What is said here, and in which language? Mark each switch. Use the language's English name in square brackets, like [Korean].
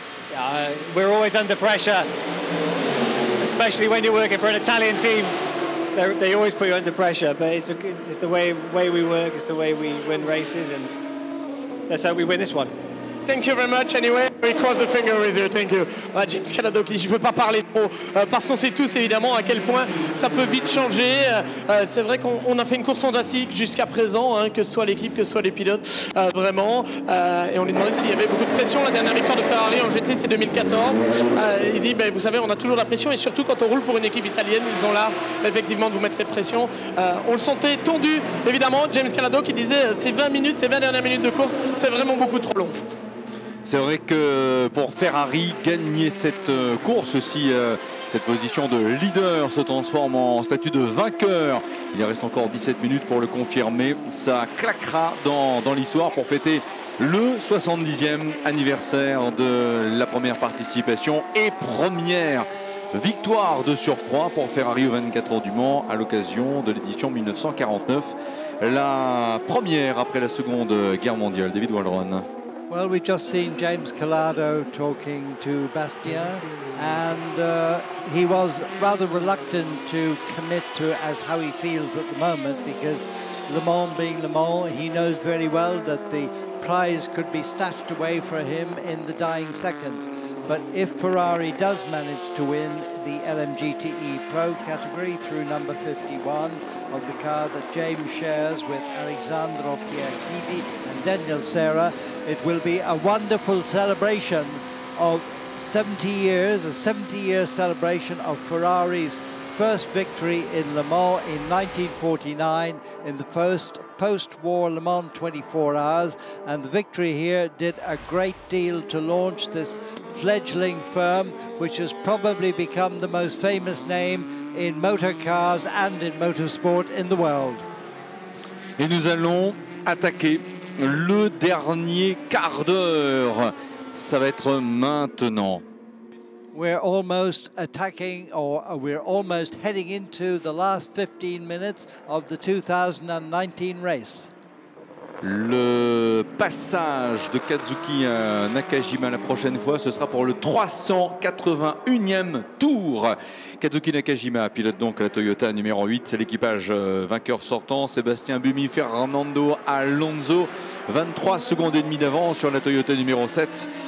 [English] Yeah, we're always under pressure, especially when you're working for an Italian team. They always put you under pressure, but it's the way we work, it's the way we win races, and that's how we win this one. Thank you very much anyway. We cross the finger with you, thank you. [French] Ah, James Calado, je ne peux pas parler trop, parce qu'on sait tous évidemment à quel point ça peut vite changer. C'est vrai qu'on a fait une course fantastique jusqu'à présent, hein, que ce soit l'équipe, que ce soit les pilotes, vraiment. Et on lui demandait s'il y avait beaucoup de pression. La dernière victoire de Ferrari en GT, c'est 2014. Il dit, vous savez, on a toujours la pression, et surtout quand on roule pour une équipe italienne, ils ont l'art effectivement de vous mettre cette pression. On le sentait tendu, évidemment. James Calado qui disait, ces 20 minutes, ces 20 dernières minutes de course, c'est vraiment beaucoup trop long. C'est vrai que pour Ferrari, gagner cette course aussi, cette position de leader se transforme en statut de vainqueur. Il reste encore 17 minutes pour le confirmer. Ça claquera dans l'histoire pour fêter le 70e anniversaire de la première participation et première victoire de surcroît pour Ferrari aux 24 heures du Mans à l'occasion de l'édition 1949. La première après la Seconde Guerre mondiale. David Waldron. [English] Well, we've just seen James Calado talking to Bastien, and he was rather reluctant to commit to as how he feels at the moment, because Le Mans being Le Mans, he knows very well that the prize could be snatched away from him in the dying seconds. But if Ferrari does manage to win the LMGTE Pro category through number 51 of the car that James shares with Alessandro Piacchini and Daniel Serra, it will be a wonderful celebration of 70 years, a 70-year celebration of Ferrari's first victory in Le Mans in 1949 in the first post-war Le Mans 24 hours. And the victory here did a great deal to launch this fledgling firm, which has probably become the most famous name in motor cars and in motorsport in the world. [French] Et nous allons attaquer le dernier quart d'heure. Ça va être maintenant. [English] We're almost attacking, or we're almost heading into the last 15 minutes of the 2019 race. [French] Le passage de Kazuki à Nakajima la prochaine fois, ce sera pour le 381e tour. Kazuki Nakajima pilote donc la Toyota numéro 8. C'est l'équipage vainqueur sortant. Sébastien Buemi, Fernando Alonso, 23 secondes et demie d'avance sur la Toyota numéro 7.